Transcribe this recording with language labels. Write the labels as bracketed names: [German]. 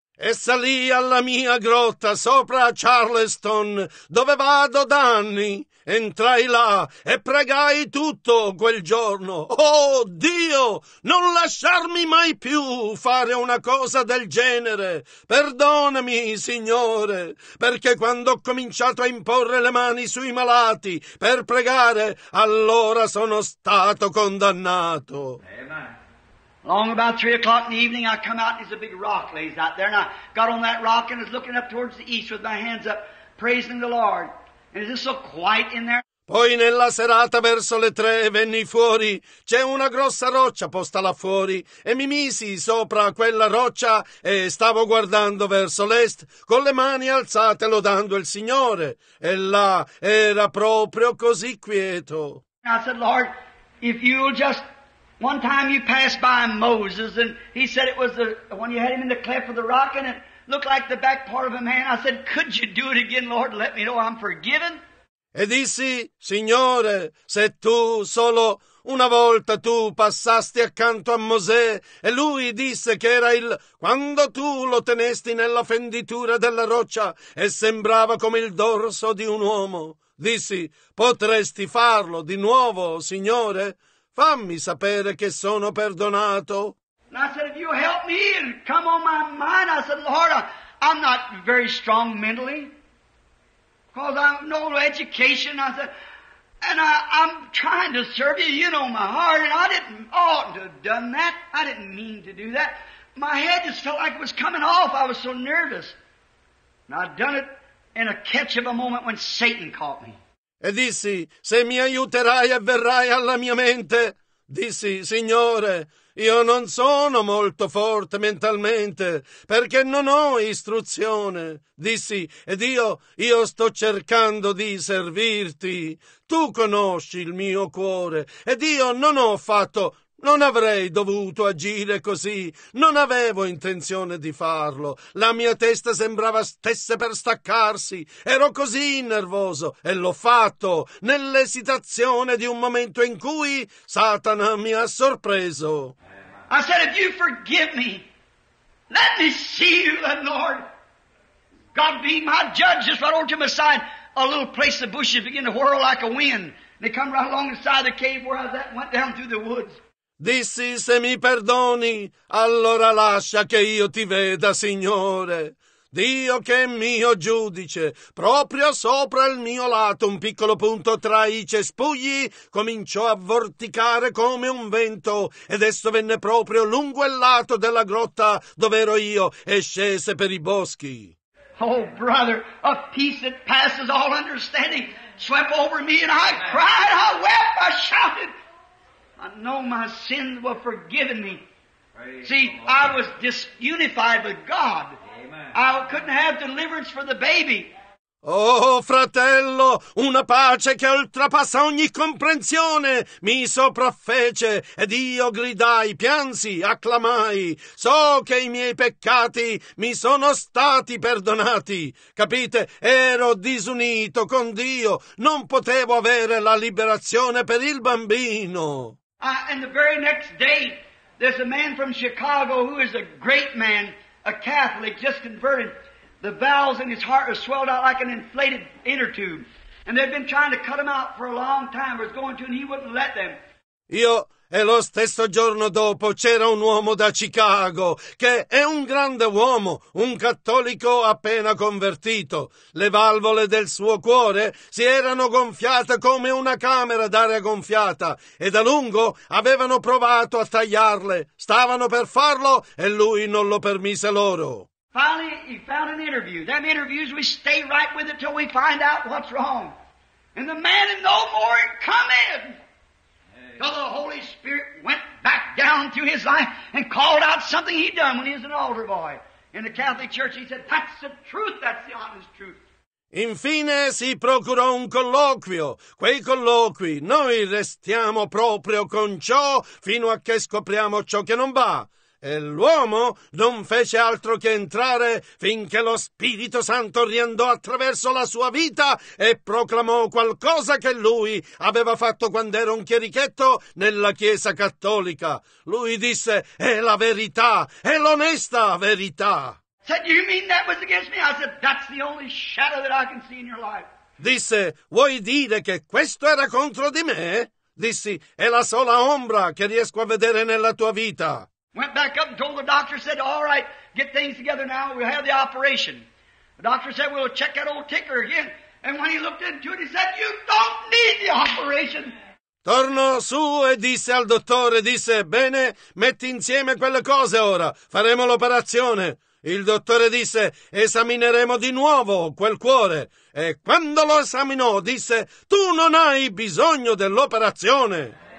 [Italian] E salì alla mia grotta sopra Charleston, dove vado da anni. Entrai là e pregai tutto quel giorno. Oh Dio, non lasciarmi mai più fare una cosa del genere. Perdonami, Signore, perché quando ho cominciato a imporre le mani sui malati per pregare, allora sono stato condannato. [English] Long about 3 o'clock in the evening, I come out and there's a big rock lays out there, and I got on that rock and was looking up towards the east with my hands up, praising the Lord. And it's just so quiet in there. [Italian] Poi nella serata verso le 3 venni fuori, c'è una grossa roccia posta là fuori, e mi misi sopra quella roccia e stavo guardando verso l'est con le mani alzate lodando il Signore. E là era proprio così quieto. [English] And I said, Lord, if you'll just... One time you passed by Moses, and he said it was the one you had him in the cleft of the rock, and it looked like the back part of a man. I said, could you do it again, Lord? Let me know I'm forgiven. [Italian] E dissi, Signore, se tu solo una volta tu passasti accanto a Mosè, e lui disse che era il... Quando tu lo tenesti nella fenditura della roccia e sembrava come il dorso di un uomo, dissi, potresti farlo di nuovo, Signore? Fammi sapere che sono perdonato. [English] And I said, if you help me and come on my mind, I said, Lord, I'm not very strong mentally, because I have no education. I said, and I'm trying to serve you, you know my heart, and I didn't ought to have done that. I didn't mean to do that. My head just felt like it was coming off. I was so nervous. And I'd done it in a catch of a moment when Satan caught me. [Italian] E dissi, se mi aiuterai e verrai alla mia mente, dissi, Signore, io non sono molto forte mentalmente, perché non ho istruzione. Dissi, ed io sto cercando di servirti. Tu conosci il mio cuore, ed io non ho fatto, non avrei dovuto agire così, non avevo intenzione di farlo. La mia testa sembrava stesse per staccarsi, ero così nervoso e l'ho fatto nell'esitazione di un momento in cui Satana mi ha sorpreso. [English] I said, if you forgive me, let me see you, the Lord. God be my judge. Just right over to my side, a little place the bushes begin to whirl like a wind. They come right along the side of the cave where I was at, went down through the woods. [Italian] Dissi, se mi perdoni, allora lascia che io ti veda, Signore. Dio che è mio giudice, proprio sopra il mio lato, un piccolo punto tra i cespugli, cominciò a vorticare come un vento, ed esso venne proprio lungo il lato della grotta dove ero io, e scese per i boschi. [English] Oh, brother, a peace that passes all understanding swept over me, and I cried, I wept, I shouted. I know my sins were forgiven me. See, I was disunified with God. I couldn't have deliverance for the baby. [Italian] Oh, fratello, una pace che oltrepassa ogni comprensione mi sopraffece, ed io gridai, piansi, acclamai. So che i miei peccati mi sono stati perdonati. Capite? Ero disunito con Dio. Non potevo avere la liberazione per il bambino. [English] And the very next day, there's a man from Chicago who is a great man, a Catholic, just converted. The valves in his heart are swelled out like an inflated inner tube. And they've been trying to cut him out for a long time, or was going to, and he wouldn't let them. [Italian] Io, e lo stesso giorno dopo, c'era un uomo da Chicago, che è un grande uomo, un cattolico appena convertito. Le valvole del suo cuore si erano gonfiate come una camera d'aria gonfiata, e da lungo avevano provato a tagliarle. Stavano per farlo, e lui non lo permise loro. [English] Finally, he found an interview. Them interviews, we stay right with it till we find out what's wrong. And the man is no more coming! Well, the Holy Spirit went back down through his life and called out something he'd done when he was an altar boy in the Catholic Church. He said, that's the truth, that's the honest truth. [Italian] Infine si procurò un colloquio. Quei colloqui, noi restiamo proprio con ciò fino a che scopriamo ciò che non va. E l'uomo non fece altro che entrare finché lo Spirito Santo riandò attraverso la sua vita e proclamò qualcosa che lui aveva fatto quando era un chierichetto nella Chiesa Cattolica. Lui disse: è la verità, è l'onesta verità. [English] Said, you mean that was against me? I said, that's the only shadow that I can see in your life. [Italian] Disse: vuoi dire che questo era contro di me? Dissi: è la sola ombra che riesco a vedere nella tua vita. [English] Went back up and told the doctor, said, all right, get things together now, we'll have the operation. The doctor said, we'll check that old ticker again. And when he looked into it, he said, you don't need the operation. [Italian] Tornò su e disse al dottore, disse, bene, metti insieme quelle cose ora, faremo l'operazione. Il dottore disse, esamineremo di nuovo quel cuore. E quando lo esaminò, disse, tu non hai bisogno dell'operazione.